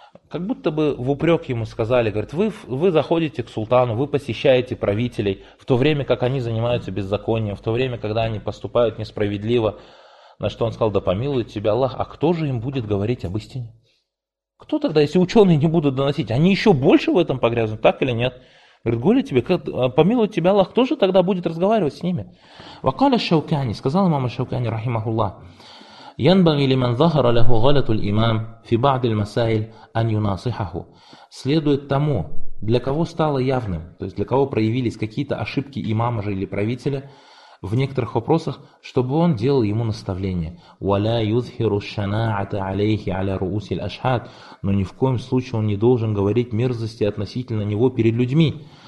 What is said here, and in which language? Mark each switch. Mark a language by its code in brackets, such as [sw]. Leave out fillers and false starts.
[ru] Как будто бы в упрек ему сказали, говорит, вы заходите к султану, вы посещаете правителей, в то время, как они занимаются беззаконием, в то время, когда они поступают несправедливо. На что он сказал, да помилует тебя Аллах, а кто же им будет говорить об истине? Кто тогда, если ученые не будут доносить, они еще больше в этом погрязнут, так или нет? Говорит, говорю тебе, помилует тебя Аллах, кто же тогда будет разговаривать с ними? Вакаля Шаукани, сказал имам Шаукани, рахимахуллах. [ar] ينبغي لمن ظهر له غلط الإمام في بعض المسائل أن يناصحه. [ru] Следует тому, для кого стало явным, то есть для кого проявились какие-то ошибки имама же или правителя в некоторых вопросах, чтобы он делал ему наставление. [ar] ولا يظهر الشناعة عليه على رؤوس الأشهاد. [ru] Но ни в коем случае он не должен говорить мерзости относительно него перед людьми.